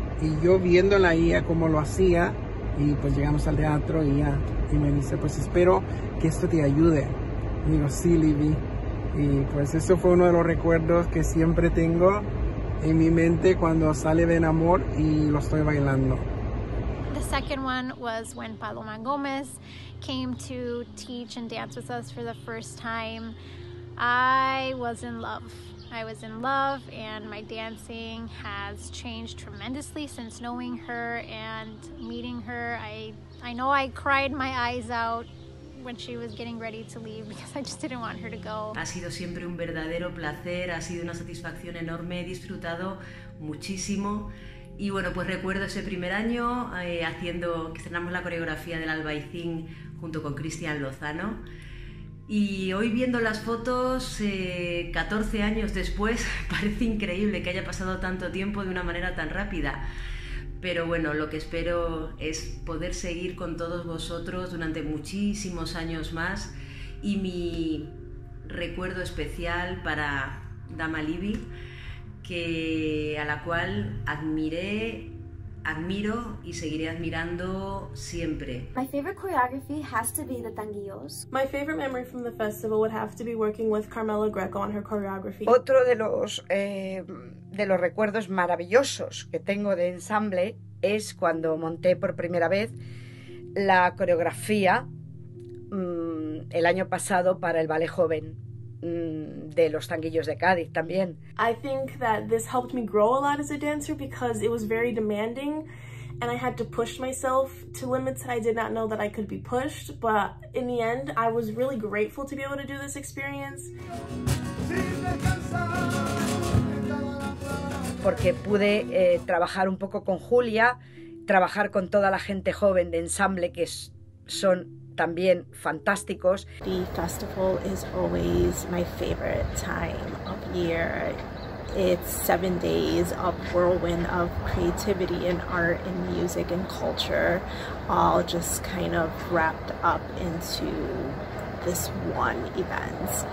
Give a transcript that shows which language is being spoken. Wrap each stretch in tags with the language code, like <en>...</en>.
<es>Y yo viéndola ahí como lo hacía, y pues llegamos al teatro y ya, y me dice, pues espero que esto te ayude. Y digo, sí, Libby. Y pues eso fue uno de los recuerdos que siempre tengo en mi mente cuando sale de enamor y lo estoy bailando.</es> <en>The second one was when Paloma Gómez came to teach and dance with us for the first time. I was in love. I was in love, and my dancing has changed tremendously since knowing her and meeting her. I know I cried my eyes out when she was getting ready to leave because I just didn't want her to go.</en> <es>Ha sido siempre un verdadero placer, ha sido una satisfacción enorme, he disfrutado muchísimo. Y bueno, pues recuerdo ese primer año haciendo, que estrenamos la coreografía del Albaicín junto con Cristian Lozano. Y hoy viendo las fotos, 14 años después, parece increíble que haya pasado tanto tiempo de una manera tan rápida. Pero bueno, lo que espero es poder seguir con todos vosotros durante muchísimos años más. Y mi recuerdo especial para Dama Libby, que a la cual admiré, admiro y seguiré admirando siempre.</es> <en>My favorite choreography has to be the tanguillos. My favorite memory from the festival would have to be working with Carmela Greco on her choreography.</en> <es>Otro de los recuerdos maravillosos que tengo de ensamble es cuando monté por primera vez la coreografía el año pasado para el ballet joven de los tanguillos de Cádiz también.</es> <en>I think that this helped me grow a lot as a dancer because it was very demanding and I had to push myself to limits that I did not know that I could be pushed, but in the end I was really grateful to be able to do this experience.</en> <es>Porque pude trabajar un poco con Julia, trabajar con toda la gente joven de ensamble que son también fantásticos.</es> <en>The festival is always my favorite time of year. It's 7 days of whirlwind of creativity and art and music and culture, all just kind of wrapped up into this one event.</en>